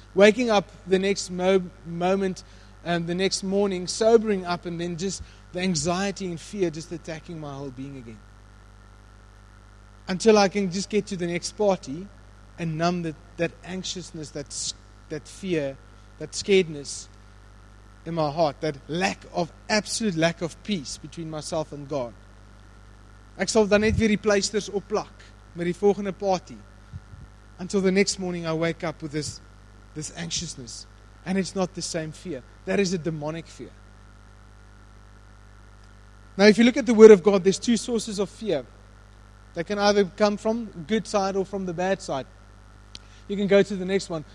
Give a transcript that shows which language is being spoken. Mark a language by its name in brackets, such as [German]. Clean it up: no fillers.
[English] Waking up the next moment, the next morning, sobering up, and then just the anxiety and fear just attacking my whole being again. Until I can just get to the next party and numb that anxiousness, that fear, that scaredness in my heart, that lack of, absolute lack of peace between myself and God. [Afrikaans] Ek sal dan net weer die pleisters opplak met die volgende party. [English] Until the next morning I wake up with this anxiousness. And it's not the same fear. That is a demonic fear. Now if you look at the Word of God, there's two sources of fear. They can either come from good side or from the bad side. You can go to the next one.